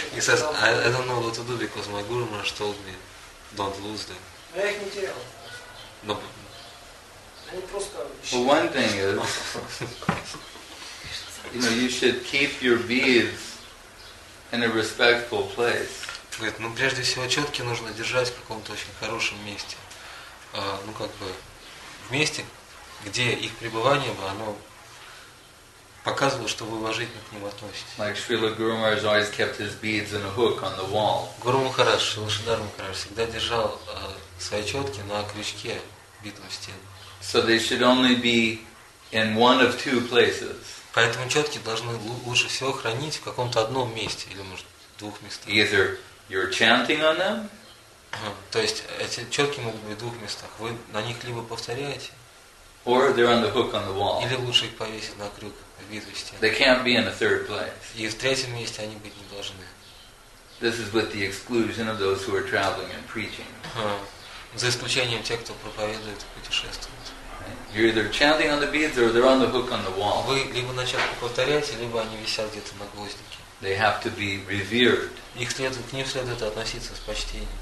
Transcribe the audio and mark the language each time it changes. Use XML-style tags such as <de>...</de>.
<en>He says, I don't know what to do because my Guru Maharaj told me don't lose them.</en> <ru>Я их не терял.</ru> <en>No.</en> <ru>Они просто.</ru> <en>Well, one thing is, you know, you should keep your beads in a respectful place.</en> <ru>Говорит, ну прежде всего четки нужно держать в каком-то очень хорошем месте. Ну как бы в месте, где их пребывание бы оно показывало, что вы уважительно к ним относитесь.</ru> <en>Like Srila Guru Maharaj always kept his beads in a hook on the wall.</en> <ru>Guru Maharaj, Srila Shridhar Maharaj, всегда держал свои четки на крючке битой стены.</ru> <en>So they should only be in one of two places.</en> <ru>Поэтому четки должны лучше всего хранить в каком-то одном месте или, может, двух местах.</ru> <en>Either you're chanting on them.</en> <ru>То есть эти четки могут быть в двух местах. Вы на них либо повторяете.</ru> <en>Or they're on the hook on the wall.</en> <ru>Или лучше их повесить на крюк.</ru> <en>They can't be in a third place.</en> <ru>И в третьем месте они быть не должны.</ru> <en>This is with the exclusion of those who are traveling and preaching.</en> <ru>За исключением тех, кто проповедует и путешествует.</ru> <en>You're either chanting on the beads or they're on the hook on the wall.</en> <ru>Вы либо на чётку повторяете, либо они висят где-то на гвоздике.</ru> <en>They have to be revered.</en> <ru>Их следует, к ним следует относиться с почтением.</ru>